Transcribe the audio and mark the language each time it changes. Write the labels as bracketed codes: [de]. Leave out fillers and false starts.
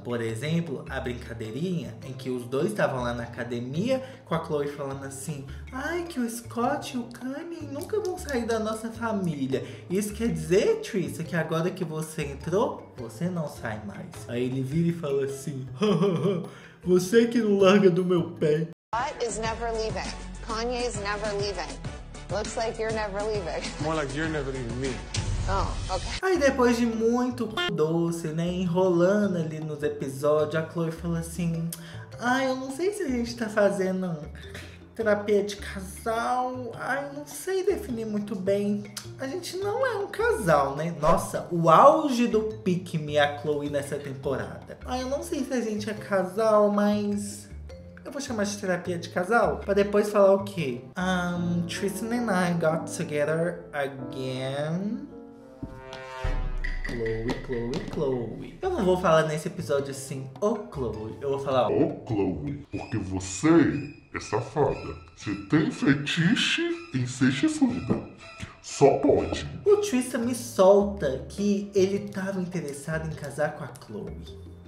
[pt] Por exemplo, a brincadeirinha em que os dois estavam lá na academia com a Khloe falando assim, ai, que o Scott e o Kanye nunca vão sair da nossa família. Isso quer dizer, Tristan, que agora que você entrou, você não sai mais. Aí ele vira e fala assim, você que não larga do meu pé. [en] Scott is never leaving. Kanye is never leaving. Looks like you're never leaving. More like you're never leaving me. Oh, okay. [pt] Aí depois de muito doce, né, enrolando ali nos episódios, a Khloe fala assim, ai, eu não sei se a gente tá fazendo terapia de casal, ai, não sei definir muito bem. A gente não é um casal, né? Nossa, o auge do pique me a Chloe nessa temporada. Ai, eu não sei se a gente é casal, mas eu vou chamar de terapia de casal. Pra depois falar o quê? [en] Tristan and I got together again. Chloe, Chloe, Chloe. [pt] Eu não vou falar nesse episódio assim, ô, Chloe. Eu vou falar, ô, Chloe, porque você é safada. Você tem fetiche em ser chifruda. Só pode. O Tristan me solta que ele tava interessado em casar com a Chloe.